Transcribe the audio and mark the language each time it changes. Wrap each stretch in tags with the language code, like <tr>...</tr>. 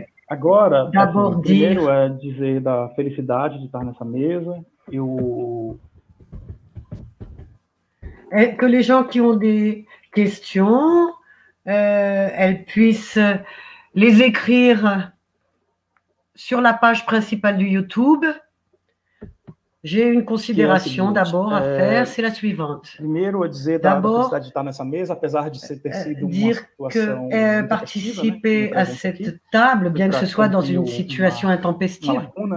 <pt>Agora, o primeiro é dizer da felicidade de estar nessa mesa. Eu... É que</pt> <fr>les gens qui ont des questions, elles puissent les écrire sur la page principale do YouTube. J'ai une considération d'abord à faire, c'est la suivante.</fr> <pt>Primeiro, dizer da felicidade de estar nessa mesa, apesar de ter sido uma situação</pt> <fr>que participer à cette table, bien que ce soit dans une situation intempestive,</fr>